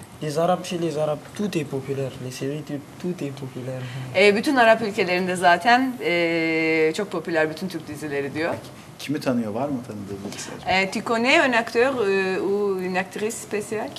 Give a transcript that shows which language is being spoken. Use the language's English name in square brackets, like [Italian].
[French] Les Arabes chez les Arabes, tout est populaire. Les séries turques, tout est populaire. [Turkish] Bütün Arap ülkelerinde zaten çok popüler bütün Türk dizileri diyor. Kimi tanıyor, var mı tanıdığınız bir şey? [French] Tu connais un acteur ou une actrice spéciale?